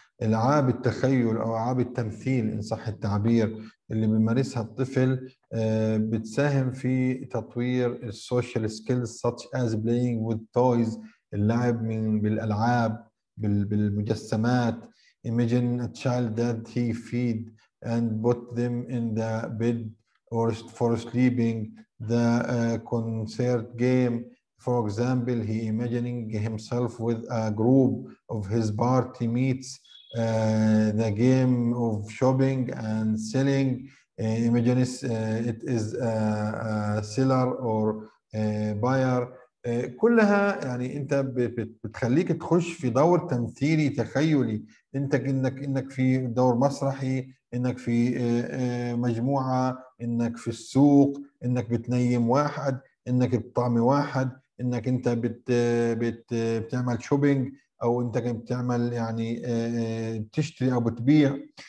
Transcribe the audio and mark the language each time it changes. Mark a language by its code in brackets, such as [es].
[ar] ألعاب التخيل أو ألعاب التمثيل إن صح التعبير اللي بيمارسها الطفل بتساهم في تطوير السوشيال سكيلز [en] such as playing with toys، [ar] اللعب من بالألعاب بالمجسمات. [en] Imagine a child that he feed and put them in the bed or for sleeping. The concert game, for example, he imagining himself with a group of his party mates. The game of shopping and selling, imagine it is a seller or a buyer. [ar] كلها يعني انت بتخليك تخش في دور تمثيلي تخيلي، انت انك في دور مسرحي، انك في مجموعه، انك في السوق، انك بتنيم واحد، انك بتطعمي واحد، انك انت بتعمل شوبينج، او انت بتعمل يعني بتشتري او بتبيع.